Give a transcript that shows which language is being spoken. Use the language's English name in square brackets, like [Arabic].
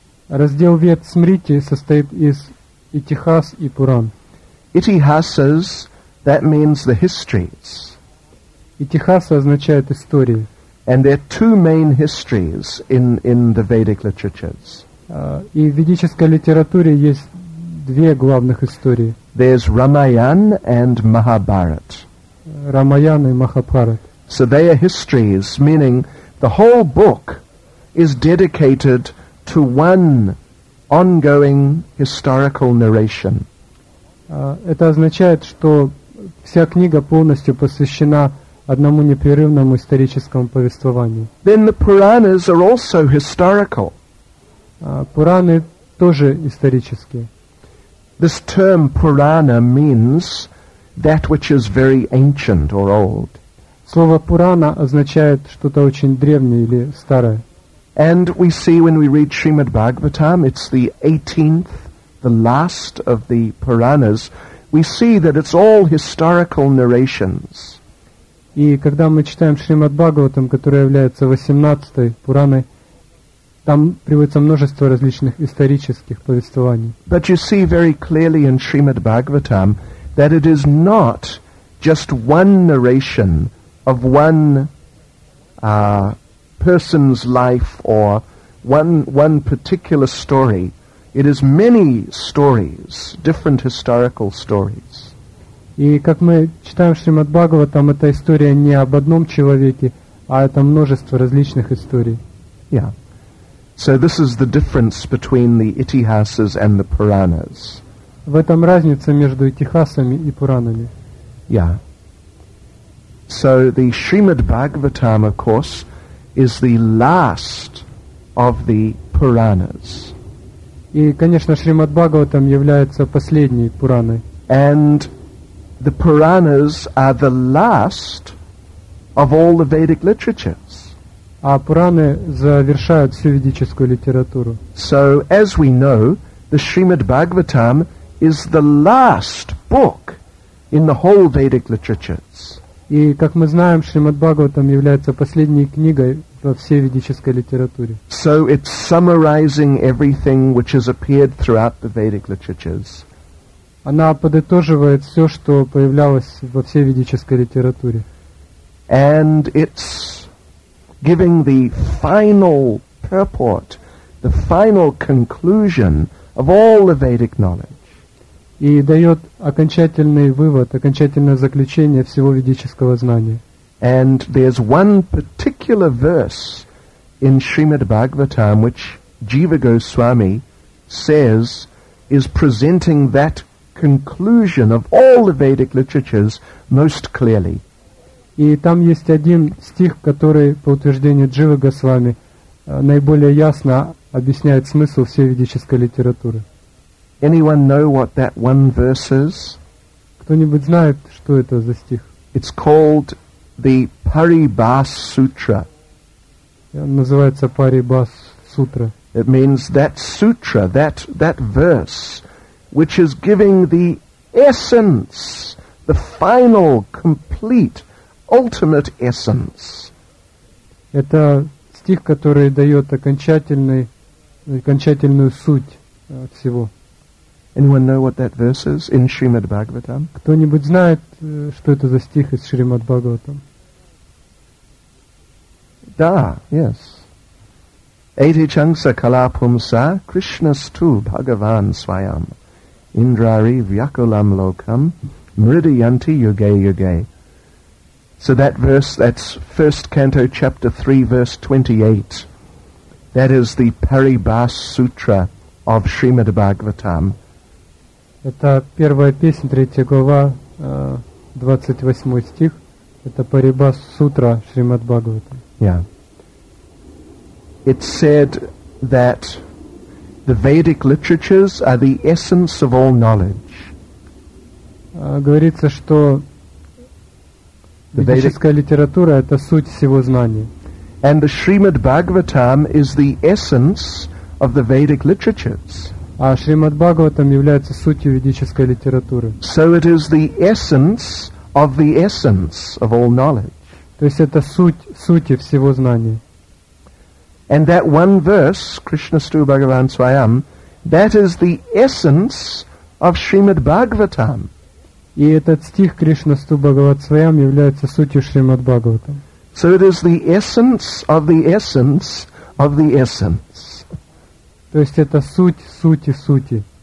[Russian] Раздел Вед Смрити состоит из Итихас и Пуран. [English] Itihasas, that means the histories. [Russian] Итихаса означает истории. [English] And there are two main histories in the Vedic literatures. [Russian] И в ведической литературе есть две главных истории. [English] There's Ramayan and Mahabharat. [Russian] Рамаян и Махабхарат. [English] So they are histories, meaning the whole book is dedicated to one ongoing historical narration. [Russian] Это означает, что вся книга полностью посвящена одному непрерывному историческому повествованию. [English] Then the Puranas are also historical. [Russian] Пураны тоже исторические. [English] This term Purana means that which is very ancient or old. [Russian] Слово Пурана означает что-то очень древнее или старое. [English] And we see when we read Srimad Bhagavatam, it's the 18th, the last of the Puranas. We see that it's all historical narrations. [Russian] И когда мы читаем Шримад Бхагаватам, которая является 18-й Пураной, там приводится множество различных исторических повествований. [English] But you see very clearly in Srimad Bhagavatam that it is not just one narration of one person's life or one particular story. It is many stories, different historical stories. [Russian] И как мы читаем Шримад Бхагаватам, эта история не об одном человеке, а это множество различных историй. [English] Yeah. So this is the difference between the Itihasas and the Puranas. [Russian] В этом разница между Итихасами и Пуранами. [English] Yeah. So the Srimad Bhagavatam, of course, is the last of the Puranas. [Russian] И, конечно, Шримад Бхагаватам является последней Пураной. [English] And the Puranas are the last of all the Vedic literatures. [Russian] А Пураны завершают всю ведическую литературу. [English] So, as we know, the Srimad Bhagavatam is the last book in the whole Vedic literatures. [Russian] И, как мы знаем, Шримад Бхагаватам является последней книгой во всей ведической литературе. [English] So it's summarizing everything which has appeared throughout the Vedic literatures. [Russian] Она подытоживает все, что появлялось во всей ведической литературе. [English] And it's giving the final purport, the final conclusion of all the Vedic knowledge. [Russian] И дает окончательный вывод, окончательное заключение всего ведического знания. [English] And there's one particular verse in Srimad Bhagavatam, which Jiva Goswami says is presenting that conclusion of all the Vedic literatures most clearly. [Russian] И там есть один стих, который, по утверждению Дживы Госвами, наиболее ясно объясняет смысл всей ведической литературы. [English] Anyone know what that one verse is? [Russian] Кто-нибудь знает, что это за стих? [English] It's called the Paribhas Sutra. [Russian] Называется Paribhas Sutra. [English] It means that sutra, that verse, which is giving the essence, the final, complete, ultimate essence. [Russian] Это стих, который дает окончательную суть всего. [English] Anyone know what that verse is in Srimad Bhagavatam? [Russian] Кто-нибудь знает, что это за стих из Шримад Бхагаватам? Да, yes. [Sanskrit] Эти чанса калапумса Кришнасту Бхагаван Свайам Индрари Вьякулам Локам Мридиянти Юге Юге. [English] So that verse, that's 1st Canto, Chapter 3, Verse 28. That is the Paribhas Sutra of Srimad Bhagavatam. [Russian] Это первая песня, третья глава, 28 стих. Это Парибас Сутра Шримад Бхагавата. [English] Yeah. It said that the Vedic literatures are the essence of all knowledge. [Russian] Говорится, что ведическая литература — это суть всего знания. [English] And the Shrimad Bhagavatam is the essence of the Vedic literatures. [Russian] А Шримад Бхагаватам является сутью ведической литературы. [English] So it is the essence of the essence of all knowledge. [Russian] То есть это суть сути всего знания. [English] And that one verse, [Sanskrit] Krishnastu Bhagavan Swayam, [English] that is the essence of Shrimad Bhagavatam. [Russian] И этот стих [Sanskrit] Кришнасту Бхагават Свайам [Russian] является сутью Шримад Бхагаватам. [English] So it is the essence of the essence of the essence. [Russian] То есть это суть сути сути.